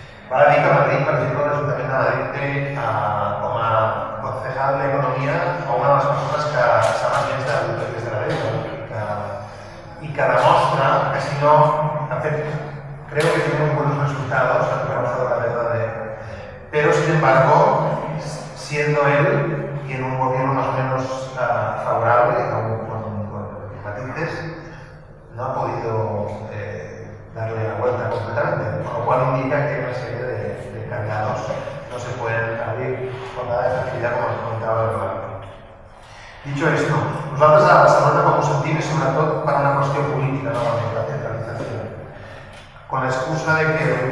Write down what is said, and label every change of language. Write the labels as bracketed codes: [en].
[ca] Val a dir que Madrid, per exemple, l'Ajuntament de Madrid té com a concejal d'Economia una de les persones que s'ha mantingut de l'auditoria de la deuda i que demostra que si no, de fet, [es] creo que [ca] tenim bons resultats en [es] el caso de la deuda de... Però, sin embargo, siendo él y en un gobierno más o menos favorable con Matites, no ha podido darle la vuelta completamente, con lo cual indica que una serie de candados no se pueden abrir con nada de facilidad, como les comentaba el Marco. Dicho esto, [ca] nosaltres a Barcelona com ho sentim és sobretot per una qüestió política, no? La centralització. [es] Con l'excusa de que...